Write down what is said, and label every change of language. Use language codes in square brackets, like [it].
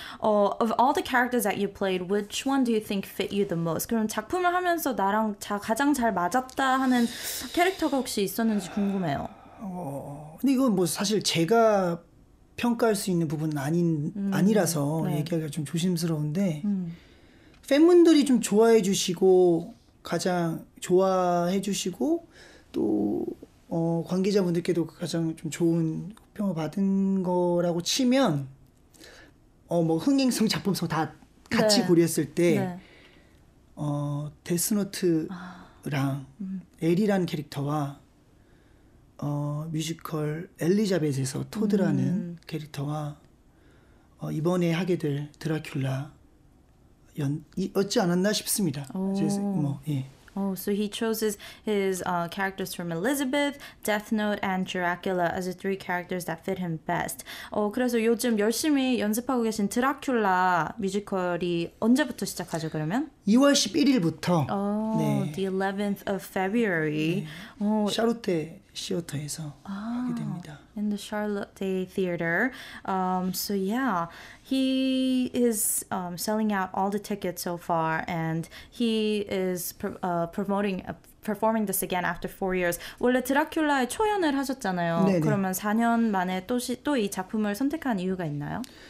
[en] Of all the characters that you played, which one do you think fit you the most? [ko] 그럼 작품을 하면서 나랑 가장 잘 맞았다 하는 캐릭터가 혹시 있었는지 궁금해요. 근데 이건 뭐 사실 제가 평가할 수 있는 부분은 아니라서 네. 얘기하기가 좀 조심스러운데 팬분들이 좀 좋아해 주시고 가장 좋아해 주시고 또 관계자분들께도 가장 좀 좋은 호평을 받은 거라고 치면 뭐 흥행성, 작품성 다 같이 네. 고려했을 때 네. 데스노트랑 엘이라는 캐릭터와 뮤지컬 엘리자벳에서 토드라는 캐릭터와 이번에 하게 될 드라큘라 어찌 않았나 싶습니다. [en] Oh, so he chose his characters from Elizabeth, Death Note, and Dracula as the three characters that fit him best. [ko] 그래서 요즘 열심히 연습하고 계신 드라큘라 뮤지컬이 언제부터 시작하죠, 그러면? 2월 11일부터. [en] Oh, 네. The 11th of February. 네. Oh. [ko] 샤롯데 시어터에서 하게 됩니다. [en] In the Charlotte Theater. So yeah, he is selling out all the tickets so far, and he is performing this again after 4 years. [ko] 원래 드라큘라에 초연을 하셨잖아요. 네네. 그러면 4년 만에 또 이 작품을 선택한 이유가 있나요?